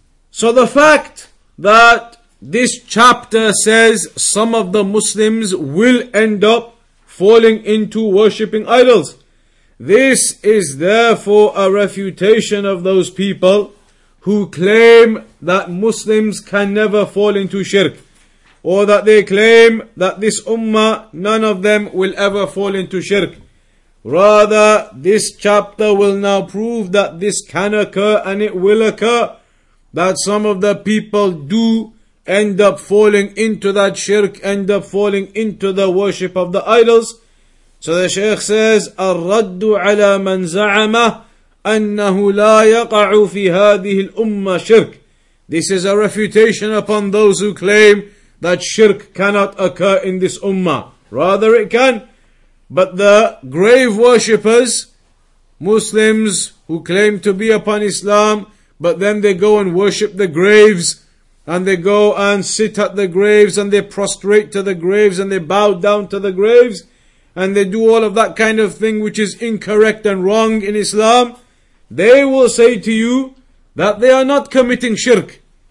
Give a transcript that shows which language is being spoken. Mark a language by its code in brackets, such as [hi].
[en] So the fact that this chapter says some of the Muslims will end up falling into worshipping idols, this is therefore a refutation of those people who claim that Muslims can never fall into shirk, or that they claim that this ummah, none of them will ever fall into shirk. Rather, this chapter will now prove that this can occur, and it will occur, that some of the people do end up falling into that shirk, end up falling into the worship of the idols. So the Shaykh says, [ar] الرَّدُّ عَلَى مَنْ زَعَمَ أَنَّهُ لَا يَقَعُ فِي هَذِهِ الْأُمَّةِ شِرْكِ. [en] This is a refutation upon those who claim that shirk cannot occur in this ummah. Rather it can. But the grave worshippers, Muslims who claim to be upon Islam, but then they go and worship the graves, and they go and sit at the graves, and they prostrate to the graves, and they bow down to the graves, and they do all of that kind of thing which is incorrect and wrong in Islam, they will say to you that they are not committing shirk.